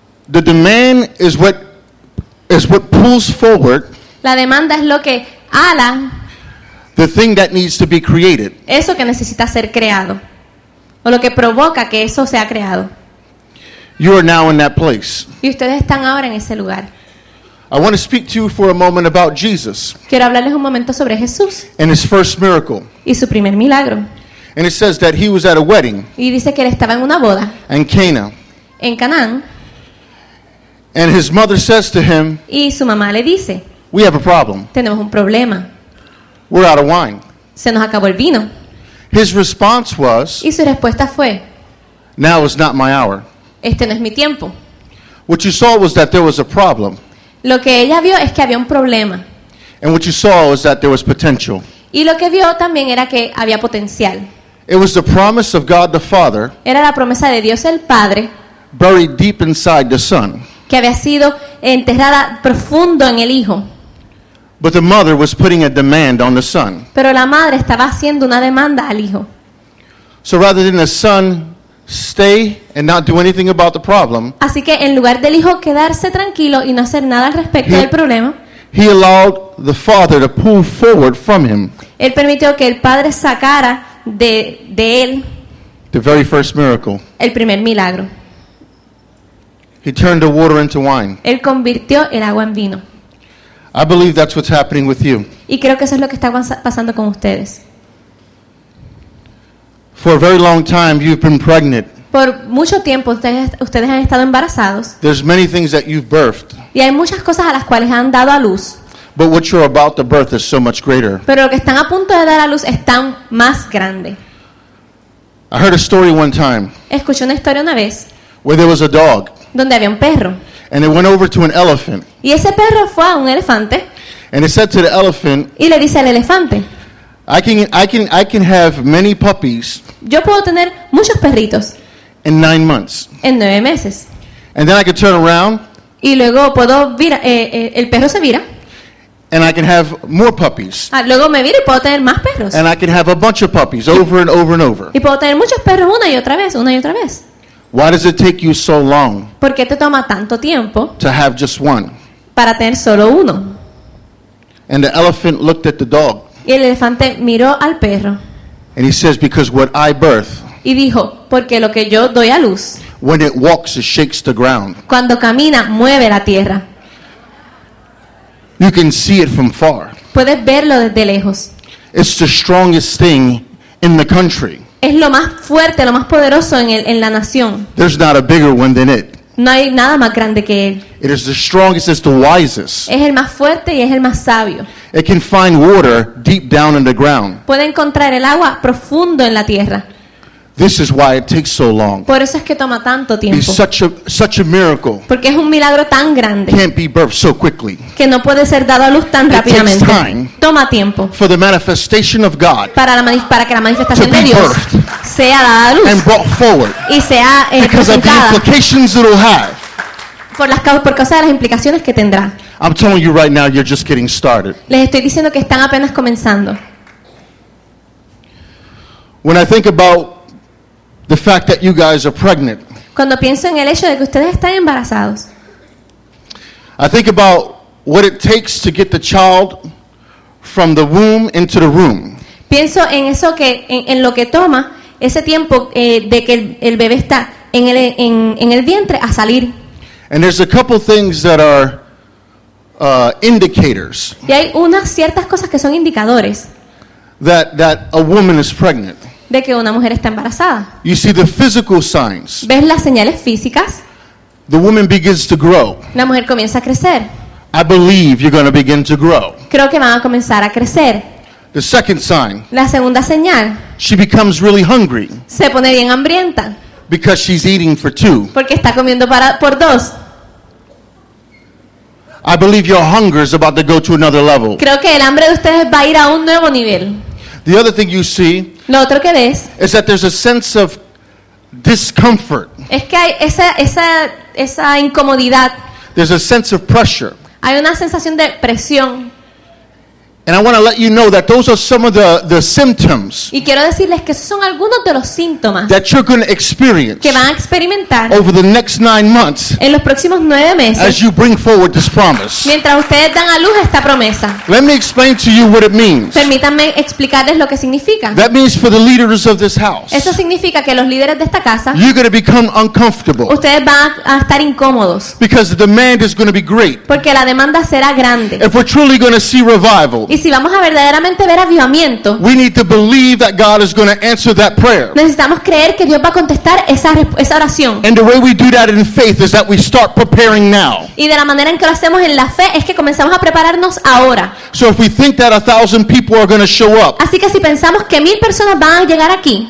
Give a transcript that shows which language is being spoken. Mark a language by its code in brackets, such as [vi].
[en] The demand is what pulls forward. [es] La demanda es lo que ala. [en] The thing that needs to be created. [es] Eso que necesita ser creado. O lo que provoca que eso sea creado. [en] You are now in that place. [es] Y ustedes están ahora en ese lugar. [en] I want to speak to you for a moment about Jesus. [es] Quiero hablarles un momento sobre Jesús. [en] And his first miracle. [es] Y su primer milagro. [en] And it says that he was at a wedding. [es] Y dice que él estaba en una boda. [en] In Cana. [es] En Canaán. [en] And his mother says to him. [es] Y su mamá le dice. [en] We have a problem. [es] Tenemos un problema. [en] We're out of wine. [es] Se nos acabó el vino. [en] His response was. [es] Y su respuesta fue. [en] Now is not my hour. [es] Este no es mi tiempo. [en] What you saw was that there was a problem. [es] Lo que ella vio es que había un problema. [en] And what you saw was that there was potential. [es] Y lo que vio también era que había potencial. [en] It was the promise of God the Father. [es] Era la promesa de Dios el Padre. [en] Buried deep inside the Son. [es] Que había sido enterrada profundo en el Hijo. [en] But the mother was putting a demand on the Son. [es] Pero la madre estaba haciendo una demanda al Hijo. [en] So rather than the Son stay and not do anything about the problem. [es] Así que en lugar del Hijo quedarse tranquilo y no hacer nada al respecto del problema. [en] He allowed the Father to pull forward from him. [es] Él permitió que el Padre sacara de él. [en] The very first miracle. [es] El primer milagro. [en] He turned the water into wine. [es] Él convirtió el agua en vino. [en] I believe that's what's happening with you. [es] Y creo que eso es lo que está pasando con ustedes. [en] For a very long time you've been pregnant. [es] Por mucho tiempo ustedes han estado embarazados. [en] There's many things that you've birthed. [es] Y hay muchas cosas a las cuales han dado a luz. [en] But what you're about to birth is so much greater. [es] Pero lo que están a punto de dar a luz es tan más grande. [en] I heard a story one time. [es] Escuché una historia una vez. [en] Where there was a dog. [es] Donde había un perro. [en] And it went over to an elephant. [es] Y ese perro fue a un elefante. [en] And it said to the elephant. [es] Y le dice al elefante. [en] I can have many puppies. [es] Yo puedo tener muchos perritos. [en] In 9 months. [es] En 9 meses. [en] And then I can turn around. [es] Y luego puedo virar, el perro se vira. [en] And I can have more puppies. [es] Luego me viro y puedo tener más perros. [en] And I can have a bunch of puppies over and over and over. [es] Y puedo tener muchos perros una y otra vez, una y otra vez. [en] Why does it take you so long? [es] ¿Por qué te toma tanto tiempo? [en] To have just one. [es] Para tener solo uno. [en] And the elephant looked at the dog. [es] Y el elefante miró al perro. [en] And he says, because what I birth. [es] Y dijo, porque lo que yo doy a luz. [en] When it walks, it shakes the ground. [es] Cuando camina, mueve la tierra. [en] You can see it from far. [es] Puedes verlo desde lejos. [en] It's the strongest thing in the country. [es] Es lo más fuerte, lo más poderoso en la nación. [en] There's not a bigger one than it. [es] No hay nada más grande que él. [en] It is the strongest, it's the wisest. [es] Es el más fuerte y es el más sabio. [en] It can find water deep down in the ground. [es] Puede encontrar el agua profundo en la tierra. [en] This is why it takes so long. [es] Por eso es que toma tanto tiempo. [en] It's such a miracle. [es] Porque es un milagro tan grande. [en] Can't be birthed so quickly. [es] Que no puede ser dado a luz tan rápidamente. [en] It takes time. [es] Toma tiempo. [en] For the manifestation of God. [es] Para que la manifestación de Dios sea dada a luz. [en] And brought forward. [es] Y sea [en] because of the implications it'll have. [es] Por causa de las implicaciones que tendrá. [en] I'm telling you right now, you're just getting started. [es] Les estoy diciendo que están apenas comenzando. [en] When I think about the fact that you guys are pregnant. [es] Cuando pienso en el hecho de que ustedes están embarazados. [en] I think about what it takes to get the child from the womb into the room. [es] Pienso en eso que en lo que toma ese tiempo de que el bebé está en el vientre a salir. [en] And there's a couple things that are indicators. [es] Y hay unas ciertas cosas que son indicadores. [en] That a woman is pregnant. [es] De que una mujer está embarazada. [en] You see the physical signs. [es] ¿Ves las señales físicas? [en] The woman begins to grow. [es] La mujer comienza a crecer. [en] I believe you're going to begin to grow. [es] Creo que van a comenzar a crecer. [en] The second sign. [es] La segunda señal. [en] She becomes really hungry. [es] Se pone bien hambrienta. [en] Because she's eating for two. [es] Porque está comiendo por dos. [en] I believe your hunger is about to go to another level. [es] Creo que el hambre de ustedes va a ir a un nuevo nivel. [en] The other thing you see. [es] Lo otro que ves [en] is that there's a sense of discomfort. [es] Es que hay esa incomodidad. [en] There's a sense of pressure. [es] Hay una sensación de presión. [en] And I want to let you know that those are some of the symptoms. [es] Y quiero decirles que esos son algunos de los síntomas [en] that you're going to experience [es] que van a experimentar [en] over the next 9 months [es] en los próximos 9 meses [en] as you bring forward this promise. [es] Mientras ustedes dan a luz esta promesa. [en] Let me explain to you what it means. [es] Permítanme explicarles lo que significa. [en] That means for the leaders of this house. [es] Eso significa que los líderes de esta casa. [en] You're going to become uncomfortable. [es] Ustedes van a estar incómodos. [en] Because the demand is going to be great. [es] Porque la demanda será grande. [en] If we're truly going to see revival. [es] Y si vamos a verdaderamente ver avivamiento, [en] we need to believe that God is going to answer that prayer. [es] Necesitamos creer que Dios va a contestar esa oración. [en] And the way we do that in faith is that we start preparing now. [es] Y de la manera en que lo hacemos en la fe es que comenzamos a prepararnos ahora. [en] So if we think that 1,000 people are going to show up, [es] así que si pensamos que 1,000 personas van a llegar aquí,